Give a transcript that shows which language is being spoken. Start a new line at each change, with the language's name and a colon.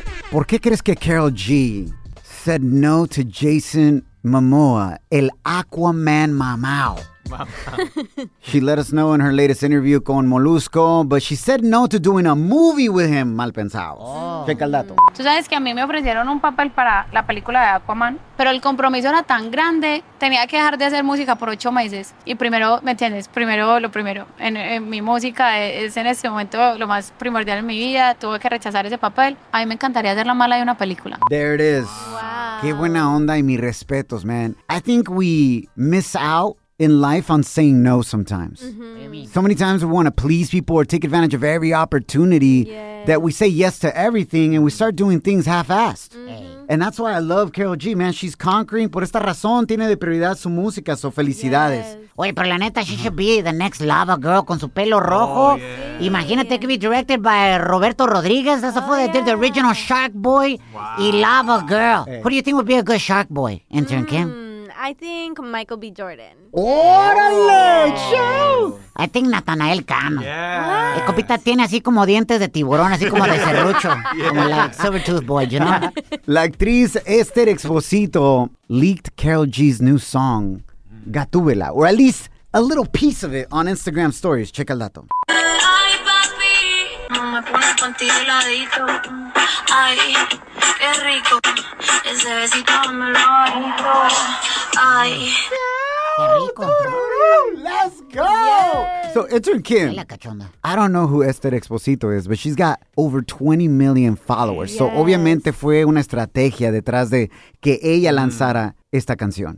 Spanish: ¿Por qué crees que Karol G
English: said no to
Spanish: Jason Momoa, el Aquaman mamao?
English: She let us know in her latest interview con Molusco, but she said no to doing a movie with him,
Spanish: mal pensado. Oh. Checa el dato. Tú sabes que a mí me ofrecieron un papel para la película de Aquaman, pero el compromiso era tan grande, tenía que dejar de hacer música por 8 meses. Y primero, ¿me entiendes? Primero, lo primero. En mi música es en este momento lo más primordial en mi vida. Tuve que rechazar ese papel. A mí me encantaría hacer la mala de una película.
English: There it is. Wow.
Spanish: Qué buena onda y mis respetos,
English: man. I think we miss out in life on saying no sometimes. Mm-hmm. So many times we want to please people or take advantage of every opportunity. Yeah. That we say yes to everything and we start doing things half-assed. Mm-hmm. And that's why I love Karol G, man. She's conquering.
Spanish: Por esta razón tiene de prioridad su música, so felicidades. Yes. Oye, pero la neta,
English: she should be the next lava girl
Spanish: con su pelo rojo.
English: Oh, yeah.
Spanish: Imagínate que
English: be directed by Roberto Rodriguez. That's the original Shark Boy y Lava Girl. Hey. Who do you think would be a good Shark Boy, intern Kim? I think Michael B. Jordan.
Spanish: ¡Órale! ¡Chau!
English: I think Natanael Cano. Yeah.
Spanish: El copita tiene así como dientes de tiburón, así como de serrucho. Yeah.
English: Como like Silver Tooth Boy, you know? La actriz Esther Exposito leaked Karol G's new song, Gatúbela, or at least a little piece of it on Instagram stories.
Spanish: Checa el dato. Ay, papi. Me pone contigo el ladito. Ay, qué rico. Ese besito me lo bajito. Ay. Qué rico, bro.
English: Woo! Let's go! Yes. So, intern Kim, I don't know who Esther Exposito is, but she's got over 20 million followers.
Spanish: Yes. So, obviamente, fue una estrategia detrás de que ella lanzara esta canción.